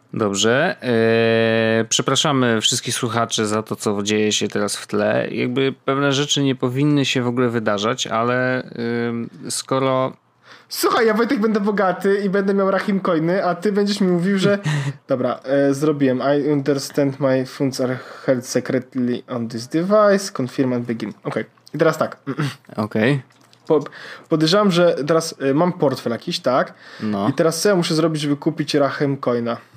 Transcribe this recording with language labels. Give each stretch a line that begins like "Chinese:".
Polish: Dobrze. Przepraszamy wszystkich słuchaczy za to, co dzieje się teraz w tle. Jakby pewne rzeczy nie powinny się w ogóle wydarzać, ale skoro... Słuchaj, ja Wojtek będę bogaty i będę miał Rahim Coiny, a ty będziesz mi mówił, że... Dobra, zrobiłem.
English: I understand my funds are held secretly on this device. Confirm and begin. Okej. Okay.
Polish: I teraz tak. Okej. Okay. Podejrzewam, że teraz mam portfel jakiś, tak? No. I teraz co ja muszę zrobić, żeby kupić Rahim Coina?